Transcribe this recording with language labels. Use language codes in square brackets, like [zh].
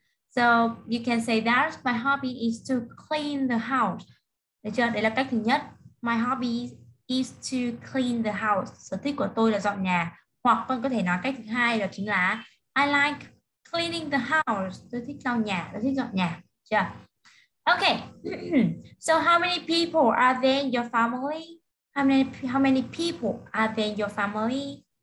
[en] So you can say that my hobby is to clean the house. [vi] Được chưa? Đây là cách thứ nhất. [en] My hobby is to clean the house. [vi] Sở thích của tôi là dọn nhà. Hoặc con có thể nói cách thứ hai đó chính là [en] I like cleaning the house. [vi] Tôi thích lau nhà. Tôi thích dọn nhà. Chưa? Okay. [en] So how many people are there in your family? How many people are there in your family?